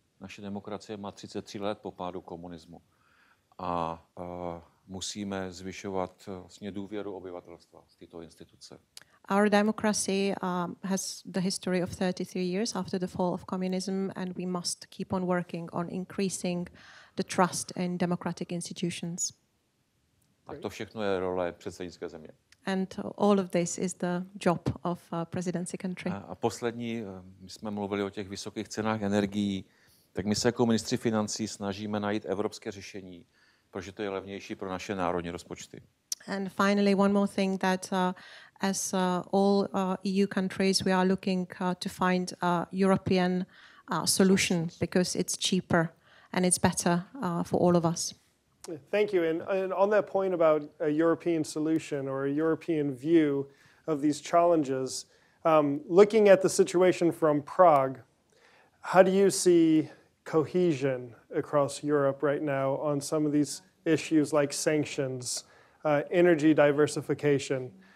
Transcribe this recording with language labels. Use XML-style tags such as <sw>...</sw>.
<cs>Naše demokracie má 33 let po pádu komunismu a musíme zvyšovat vlastně důvěru obyvatelstva v tyto instituce.</cs> <en>Our democracy has the history of 33 years after the fall of communism, and we must keep on working on increasing the trust in democratic institutions.</en> <cs>A to všechno je role předsednické země.</cs> <en>And all of this is the job of a presidency country.</en> <cs>A poslední, my jsme mluvili o těch vysokých cenách energií, tak my se jako ministři financí snažíme najít evropské řešení, protože to je levnější pro naše národní rozpočty.</cs> <en>And finally, one more thing that as all EU countries, we are looking to find a European solution because it's cheaper and it's better for all of us. Thank you. And on that point about a European solution or a European view of these challenges, looking at the situation from Prague, how do you see cohesion across Europe right now on some of these issues like sanctions, energy diversification?</en>